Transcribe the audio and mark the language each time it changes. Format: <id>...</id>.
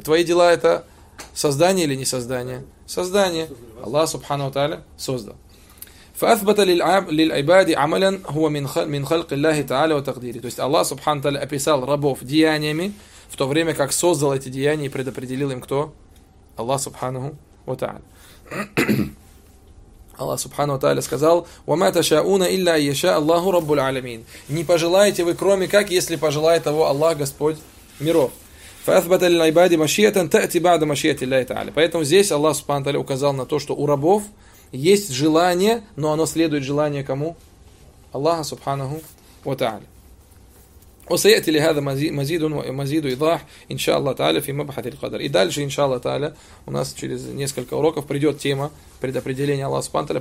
<ru>Твои дела это создание или не создание? Создание. Аллах Субхану Тааля создал.</ru> <ar>فَأَثْبَتَ لِلْعِبَادِ عَمَلًا هُوَ مِنْ خَلْقِ اللَّهِ تَعَالَى وَتَقْدِيرِ.</ar> <ru>То есть Аллах Субхану Тааля описал рабов деяниями, в то время как создал эти деяния и предопределил им кто? Аллах Субхану Тааля. Аллах Субхану Тааля сказал:</ru> <ar>وَمَا تَشَاءُونَ إِلَّا أَن يَشَاءَ اللَّهُ رَبُّ الْعَالَمِينَ.</ar> <ru>Не пожелаете вы, кроме как, если пожелает того Аллах, Господь миров.</ru> <ar>فَأَثْبَتَ لِلْعِبَادِ مَشِيَّةً تَأْتِي بَعْدَ مَشِيَّةِ اللَّهِ تَعَالَى.</ar> <ru>Поэтому здесь Аллах Субхану Тааля указал на то, что у рабов есть желание, но оно следует желанию кому? Аллаха Субханаху ва Тааля.</ru> <ar>وَسَيَأْتِ لِهَذَا مَزِيدٌ وَمَزِيدُ إِضَاحٍ إِنْ شَاءَ اللَّهُ تَعَالَى فِي مَبْحَثِ الْقَدَرِ.</ar> <ru>И дальше, иншаллах тааля, у нас через несколько уроков придет тема предопределения Аллаха Субхану Тааля.</ru>